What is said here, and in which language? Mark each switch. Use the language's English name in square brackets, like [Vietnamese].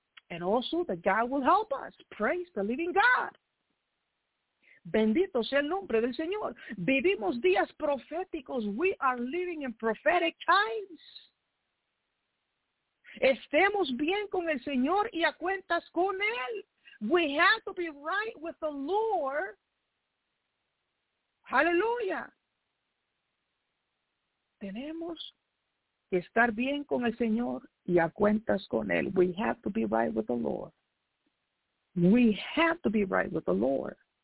[English] And also that God will help us. Praise the living God. [Spanish] Bendito sea el nombre del Señor. Vivimos días proféticos. [English] We are living in prophetic times. [Spanish] Estemos bien con el Señor y a cuentas con Él. [English] We have to be right with the Lord. Hallelujah. [Spanish] Tenemos que estar bien con el Señor y a cuentas con Él. [English] We have to be right with the Lord. We have to be right with the Lord.